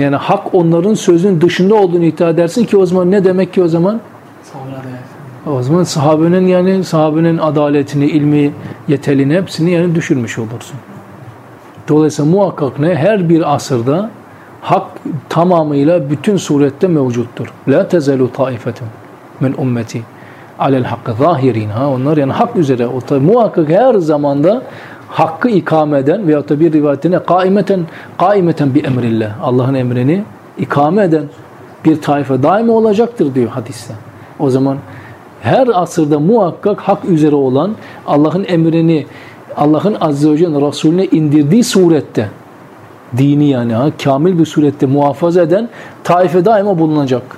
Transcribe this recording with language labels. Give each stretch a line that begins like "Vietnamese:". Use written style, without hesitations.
Turkish: Yani hak onların sözünün dışında olduğunu iddia edersin ki o zaman ne demek ki o zaman? O zaman sahabenin yani sahabenin adaletini, ilmi, yeteliğini hepsini yani düşürmüş olursun. Dolayısıyla muhakkak ne? Her bir asırda hak tamamıyla bütün surette mevcuttur.
Arabic: لَا تَزَلُوا طَائِفَةٌ مِنْ اُمَّتِي عَلَى الْحَقِّ ظَاهِرِينَ
Turkish: Onlar yani hak üzere. Muhakkak her zamanda hakkı ikame eden veyahut da bir rivayetine
Arabic: قَائِمَةً بِاَمْرِ اللّٰهِ
Turkish: Allah'ın emrini ikame eden bir taife daima olacaktır diyor hadiste. O zaman her asırda muhakkak hak üzere olan Allah'ın emrini Allah'ın Azze ve Celle'nin Resulüne indirdiği surette dini yani kamil bir surette muhafaza eden taife daima bulunacak.